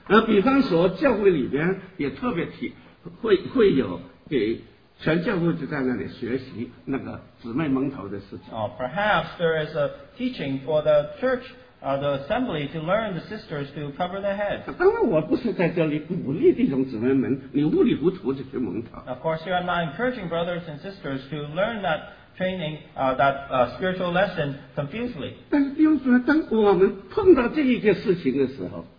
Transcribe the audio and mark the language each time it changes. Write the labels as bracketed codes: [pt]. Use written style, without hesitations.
[zh] 比方说教会里边也特别提会有给全教会就在那里学习那个姊妹蒙头的事情。 [en] Perhaps there is a teaching for the church, the assembly, to learn the sisters to cover their heads. [zh] 当然我不是在这里鼓励弟兄姊妹们你糊里糊涂就去蒙头。 [en] Of course here I'm not encouraging brothers and sisters to learn that training, that spiritual lesson confusedly. [zh] 但是弟兄姊妹当我们碰到这一件事情的时候,